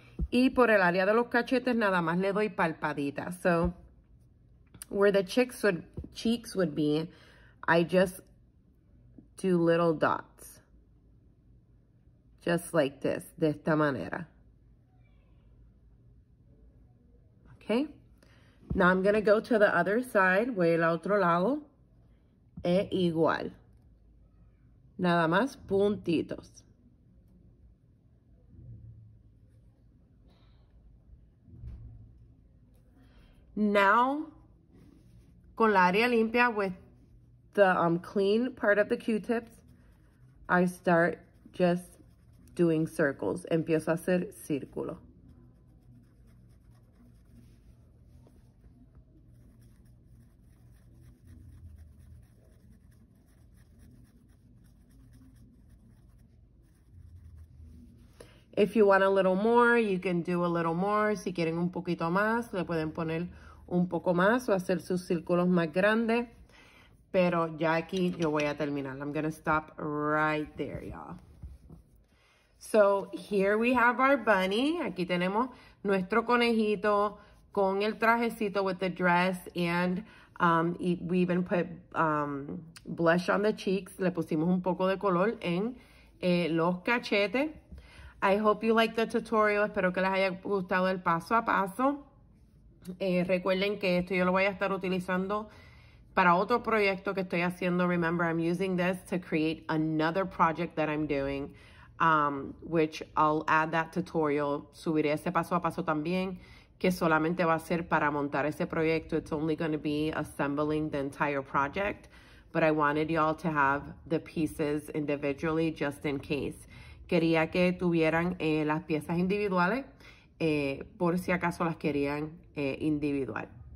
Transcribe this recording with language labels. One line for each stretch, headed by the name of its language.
Spanish: Y por el área de los cachetes nada más le doy palpadita.
English: So where the cheeks would be, I just do little dots. Just like this,
Spanish: de esta manera.
English: Okay, now I'm gonna go to the other side,
Spanish: voy al otro lado. E igual. Nada más puntitos.
English: Now,
Spanish: con la área limpia,
English: with the clean part of the Q-tips, I start just doing circles.
Spanish: Empiezo a hacer círculo.
English: If you want a little more, you can do a little more.
Spanish: Si quieren un poquito más, le pueden poner un poco más o hacer sus círculos más grandes. Pero ya aquí yo voy a terminar.
English: I'm gonna stop right there, y'all. So here we have our bunny.
Spanish: Aquí tenemos nuestro conejito con el trajecito
English: with the dress. And we even put blush on the cheeks.
Spanish: Le pusimos un poco de color en los cachetes.
English: I hope you like the tutorial.
Spanish: Espero que les haya gustado el paso a paso. Recuerden que esto yo lo voy a estar utilizando para otro proyecto que estoy haciendo.
English: Remember, I'm using this to create another project that I'm doing, which I'll add that tutorial.
Spanish: Subiré ese paso a paso también, que solamente va a ser para montar ese proyecto.
English: It's only going to be assembling the entire project, but I wanted y'all to have the pieces individually just in case.
Spanish: Quería que tuvieran las piezas individuales por si acaso las querían individual.